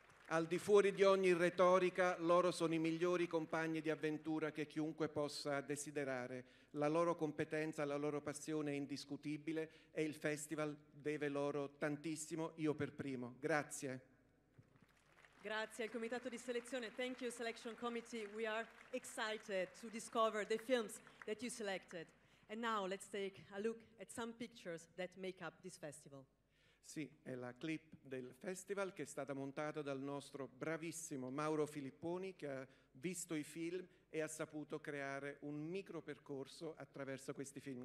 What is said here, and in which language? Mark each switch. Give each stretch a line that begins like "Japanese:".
Italian: Al di fuori di ogni retorica, loro sono i migliori compagni di avventura che chiunque possa desiderare. La loro competenza, la loro passione è indiscutibile e il festival deve loro tantissimo, io per primo. Grazie. Grazie al comitato di selezione.
English: Thank you, selection committee. We are excited to discover the films that you selected. And now let's take a look at some pictures that make up this festival.
Italian: Sì, è la clip del festival che è stata montata dal nostro bravissimo Mauro Filipponi, che ha visto i film e ha saputo creare un micro percorso attraverso questi film.